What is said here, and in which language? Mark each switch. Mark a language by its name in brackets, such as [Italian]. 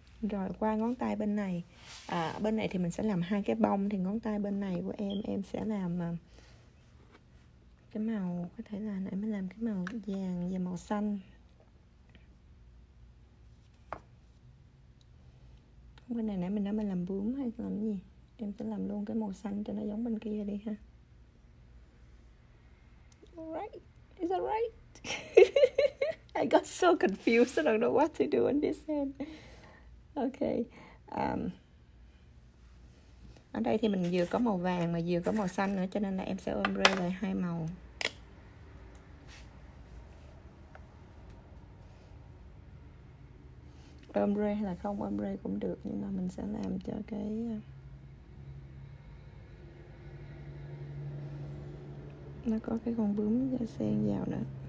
[Vietnamese] Rồi qua ngón tay bên này. À, bên này thì mình sẽ làm hai cái bông, thì ngón tay bên này của em sẽ làm cái màu, có thể là nãy mới làm cái màu vàng và màu xanh. Bên này nãy mình đã mình làm bướm hay làm cái gì, em sẽ làm luôn cái màu xanh cho nó giống bên kia đi ha. [English] Right, is that right? I got so confused, I don't know what to do in this hand. [Vietnamese] Okay, ở đây thì mình vừa có màu vàng mà vừa có màu xanh nữa, cho nên là em sẽ ombre lại hai màu. Ombre hay là không ombre cũng được, nhưng mà mình sẽ làm cho cái nó có cái con bướm xen vào nữa.